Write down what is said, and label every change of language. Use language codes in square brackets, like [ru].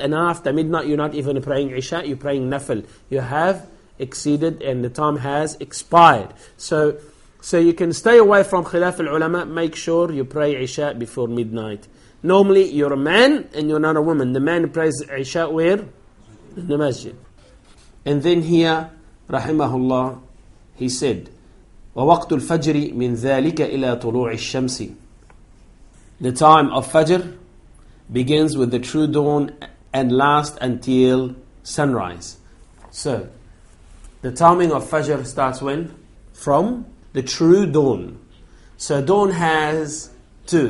[en] And after midnight, you're not even praying Isha, you're praying Nafil. You have exceeded and the time has expired. So you can stay away from Khilaf Al-Ulama. Make sure you pray Isha before midnight. Normally, you're a man and you're not a woman. The man prays Isha where? In the masjid. And then here, [ar] rahimahullah, he said, وَوَقْتُ الْفَجْرِ مِنْ ذَٰلِكَ إِلَىٰ طُلُوعِ الشَّمْسِ. [en] The time of Fajr begins with the true dawn and lasts until sunrise. So, the timing of Fajr starts when? From the true dawn. So dawn has two.